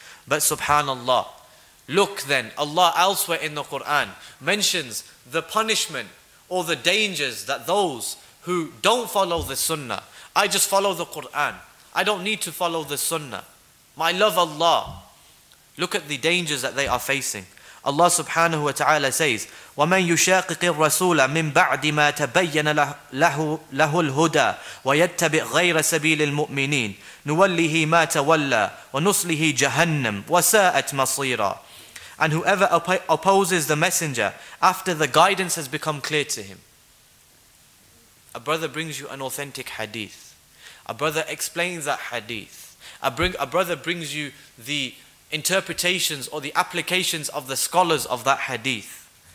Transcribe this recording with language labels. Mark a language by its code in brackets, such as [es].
[en] But subhanAllah, look then, Allah elsewhere in the Quran mentions the punishment or the dangers that those who don't follow the sunnah, I just follow the Quran, I don't need to follow the sunnah, my love Allah, look at the dangers that they are facing. [ar] Allah subhanahu wa ta'ala says, وَمَنْ يُشَاقِقِ الرَّسُولَ مِنْ بَعْدِ مَا تَبَيَّنَ لَهُ الْهُدَى وَيَتَّبِعْ غَيْرَ سَبِيلِ الْمُؤْمِنِينَ نُوَلِّهِ مَا تَوَلَّى وَنُصْلِهِ جَهَنَّمْ وَسَاءَتْ مَصِيرًا. [en] And whoever opposes the messenger after the guidance has become clear to him. A brother brings you an authentic hadith. A brother explains that hadith. A brother brings you the interpretations or the applications of the scholars of that hadith.